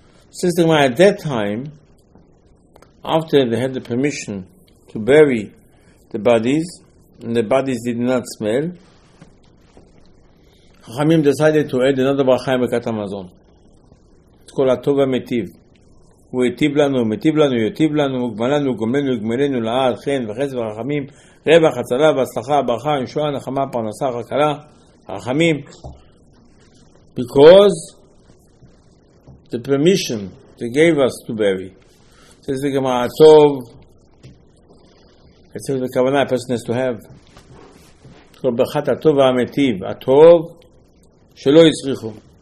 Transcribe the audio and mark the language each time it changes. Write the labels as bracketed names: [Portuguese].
[English] Since at that time, after they had the permission to bury the bodies, and the bodies did not smell, Chachamim decided to add another bracha in Birkat HaMazon. It's called Atova Metiv. [Hebrew] הוא היטיב לנו, מיטיב לנו, יטיב לנו, גמל לנו, גומלנו, גמלנו לעד, חן וחסד ורחמים, רווח, הצלה והצלחה, ברכה, ישועה, נחמה, פרנסה, חכלה, רחמים. [English] Because the permission they gave us to bury. This is the Gemara Tov. It's the Kavana a person has to have. So, Berchat HaTov HaMetiv. HaTov Shelo Yisrichu.